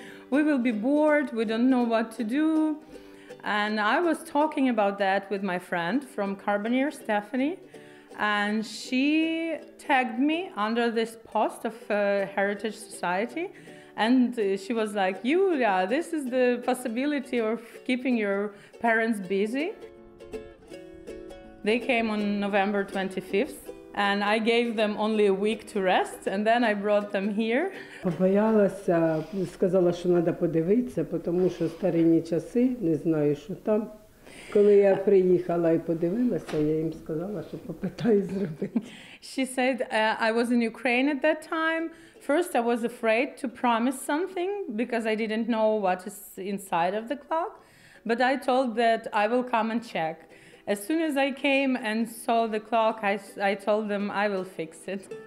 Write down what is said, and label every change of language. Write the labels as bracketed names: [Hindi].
[English] We will be bored, we don't know what to do. And I was talking about that with my friend from Carbonear, Stephanie, and she tagged me under this post of Heritage Society. And she was like, Julia, this is the possibility of keeping your parents busy. They came on November 25th, and I gave them only a week to rest, and then I brought them here. [Ukrainian] Побоялася, сказала, що треба подивитися, тому що старі часи, не знаю, що там. Коли я приїхала і подивилася, я їм сказала, що попитаю зробити. [English] She said, I was in Ukraine at that time. First, I was afraid to promise something because I didn't know what is inside of the clock. But I told that I will come and check. As soon as I came and saw the clock, I told them I will fix it.